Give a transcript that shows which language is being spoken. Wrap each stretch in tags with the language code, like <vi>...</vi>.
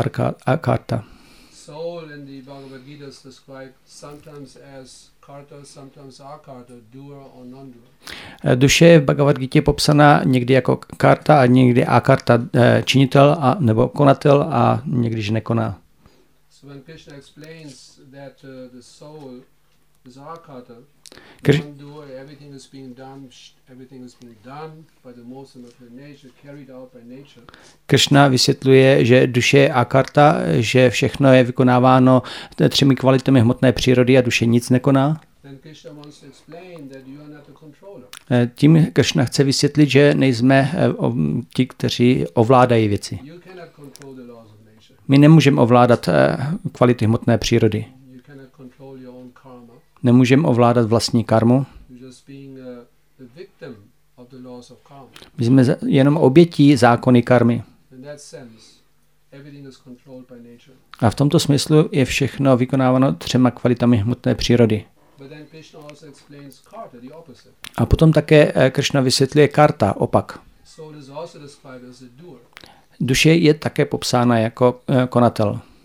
<sa>Karta, arkarta.</sa> <en>Soul in the Bhagavad Gita is described sometimes as karta, sometimes akarta, doer or non-doer.</en> <cs>Duše je v Bhagavad Gita popsaná někdy jako karta a někdy akarta, činitel a nebo konatel a někdy že nekoná.</cs> <en>So when Krishna explains that the soul is akarta, non-doer, everything is being done by the most material nature, carried out by nature.</en> <cs>Krishna vysvětluje, že duše je akarta, že všechno je vykonáváno třemi kvalitami hmotné přírody a duše nic nekoná.</cs> <en>Then Krishna wants to explain that you are not the controller.</en> <cs>Tím Krishna chce vysvětlit, že nejsme ti, kteří ovládají věci.</cs> <en>You cannot control the laws of nature.</en> <cs>My nemůžeme ovládat kvality hmotné přírody.</cs> <en>You cannot control your own karma.</en> <cs>Nemůžeme ovládat vlastní karmu.</cs> <en>Just being the victim of the laws of karma.</en> <cs>My jsme jenom obětí zákony karmy.</cs> <en>In that sense, everything is controlled by nature.</en> <cs>A v tomto smyslu je všechno vykonáváno třema kvalitami hmotné přírody.</cs> <en>But then Krishna also explains karta, the opposite.</en> <cs>A potom také Krishna vysvětluje karta, opak.</cs> <en>Soul is also described as a doer.</en> <cs>Duše je také popsána jako konatel.</cs>